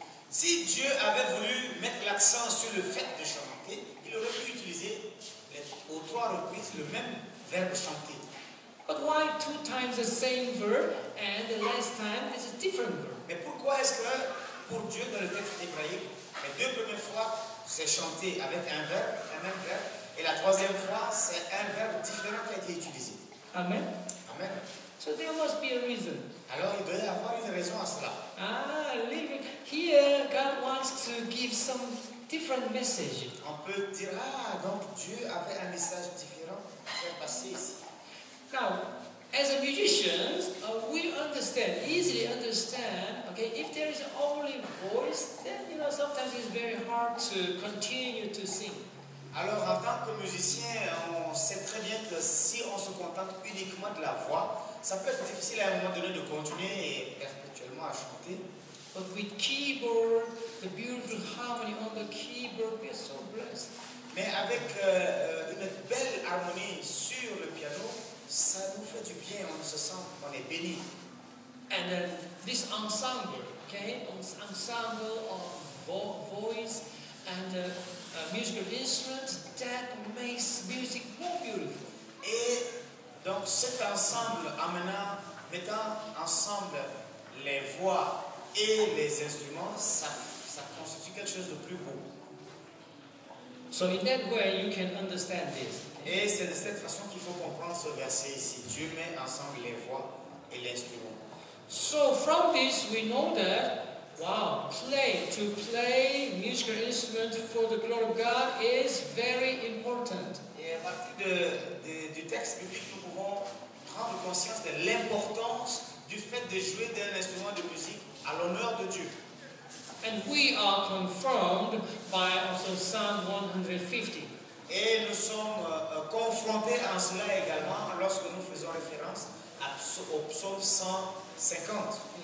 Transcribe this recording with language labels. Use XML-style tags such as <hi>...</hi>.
<fr>Si Dieu avait voulu mettre l'accent sur le fait de chanter, il aurait pu utiliser aux trois reprises le même verbe chanter.</fr> <en>But why two times the same verb and the last time is a different verb?</en> <fr>Mais pourquoi est-ce que pour Dieu dans le texte hébraïque, les deux premières fois c'est chanter avec un verbe, un même verbe, et la troisième fois c'est un verbe différent qui a été utilisé? Amen. Amen.</fr> <en>So there must be a reason.</en> <fr>Alors, il doit y avoir une raison à cela.</fr> <en>Ah, leave it. Here, God wants to give some different message.</en> <fr>On peut dire, ah, donc Dieu avait un message différent pour passer ici.</fr> <en>Now, as a musician, we understand, easily understand, okay, if there is only voice, then, you know, sometimes it's very hard to continue to sing.</en> <fr>Alors, en tant que musicien, on sait très bien que si on se contente uniquement de la voix, ça peut être difficile à un moment donné de continuer et perpétuellement à chanter.</fr> <en>But with keyboard, the beautiful harmony on the keyboard, we are so blessed.</en> <fr>Mais avec une belle harmonie sur le piano, ça nous fait du bien, on se sent, on est béni.</fr> <en>And then this ensemble, okay, ensemble of voice and musical instruments, that makes music more beautiful.</en> <fr>Et donc cet ensemble amenant, mettant ensemble les voix et les instruments, ça constitue quelque chose de plus beau.</fr> <en>So in that way you can understand this.</en> <fr>Et c'est de cette façon qu'il faut comprendre ce verset ici. Dieu met ensemble les voix et l'instrument.</fr> <en>So from this we know that, wow, to play musical instrument for the glory of God is very important.</en> <fr>Et à partir du texte biblique, nous pouvons prendre conscience de l'importance du fait de jouer d'un instrument de musique à l'honneur de Dieu.</fr> <en>And we are confirmed by also Psalm 150.</en> <fr>Et nous sommes confrontés en cela également lorsque nous faisons référence au psaume 150.</fr>